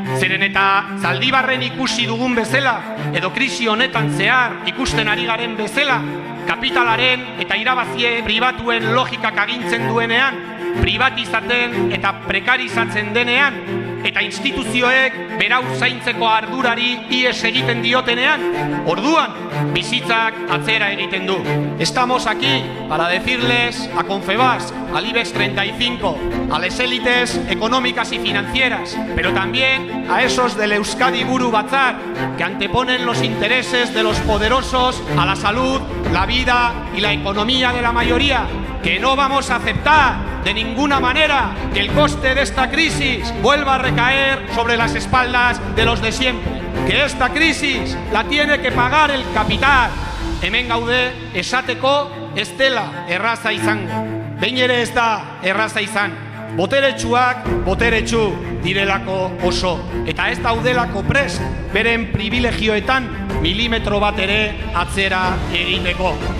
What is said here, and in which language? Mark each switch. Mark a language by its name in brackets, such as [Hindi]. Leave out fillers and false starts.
[Basque] Zeren eta Zaldibarren ikusi dugun bezala, edo krisi honetan zehar ikusten ari garen bezala, kapitalaren eta irabazie pribatuen logikak agintzen duenean, pribatizaten eta prekarizatzen denean, eta instituzioek berau zaintzeko ardurari ies egiten diotenean, orduan bizitzak atzera egiten du. [Spanish] Estamos aquí para decirles a Confebas, al IBEX 35, a las élites económicas y financieras, pero también a esos del Euskadi Buru Batzar, que anteponen los intereses de los poderosos a la salud, la vida y la economía de la mayoría, que no vamos a aceptar de ninguna manera que el coste de esta crisis vuelva a recaer sobre las espaldas de los de siempre. Que esta crisis la tiene que pagar el capital. [Basque] Hemen gaude esateko ez dela erraza izango. Behin ere ez da erraza izan. Boteretsuak boteretsu direlako oso. Eta ez daudelako prest beren privilegioetan milimetro bat ere atzera egiteko.